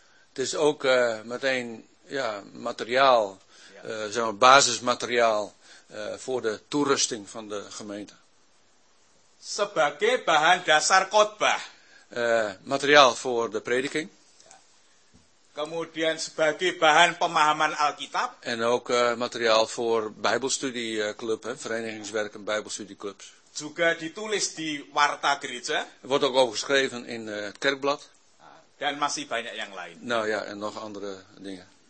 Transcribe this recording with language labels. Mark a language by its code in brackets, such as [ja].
[nl] Het is ook meteen materiaal, basismateriaal voor de toerusting van de gemeente. [id] Sebagai bahan dasar khotbah. [nl] Materiaal voor de prediking. [id] Kemudian sebagai bahan pemahaman Alkitab. [nl] En ook materiaal voor Bijbelstudieclub, verenigingswerk en Bijbelstudieclubs. [id] Juga ditulis di warta gereja. [nl] Wordt ook overgeschreven in het kerkblad. [id] Dan masih banyak yang lain. [nl] Nou ya, en nog andere dingen.